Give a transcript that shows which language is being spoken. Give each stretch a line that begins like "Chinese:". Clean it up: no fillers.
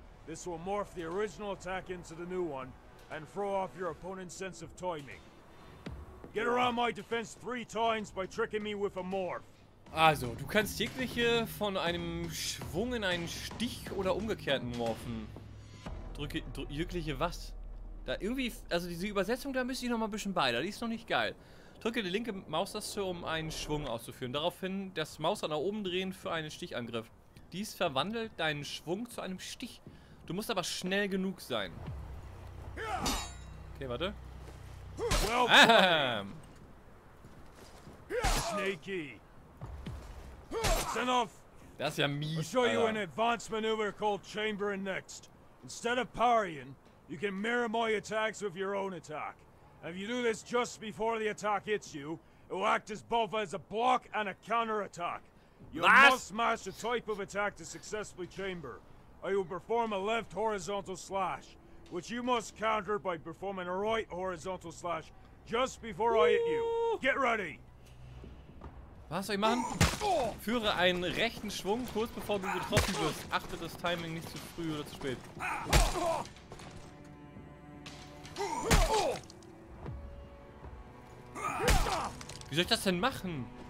English: This will morph the original attack into the new one and throw off your opponent's sense of timing. Get around my defense three times by tricking me with a morph.
German: Also, du kannst jegliche von einem Schwung in einen Stich oder umgekehrten morphen. Jegliche was? Da irgendwie, also diese Übersetzung, da müsste ich noch mal ein bisschen beide, die ist noch nicht geil. Drücke die linke Maustaste, um einen Schwung auszuführen. Daraufhin das Mausrad nach oben drehen für einen Stichangriff. Dies verwandelt deinen Schwung zu einem Stich. Du musst aber schnell genug sein. Okay, warte.
English: Well played. Snakey. That's enough.
German: Das ist ja mies,
English: I'll show you an advanced maneuver called chambering next. Instead of parrying, you can mirror my attacks with your own attack. If you do this just before the attack hits you, it will act as both as a block and a counterattack. You must master type of attack to successfully chamber. I will perform a left horizontal slash, which you must counter by performing a right horizontal slash just before I hit you. Get ready!
German: Was soll ich machen? Führe einen rechten Schwung kurz bevor du getroffen wirst. Achte das Timing nicht zu früh oder zu spät. Oh. Wie soll ich das denn machen?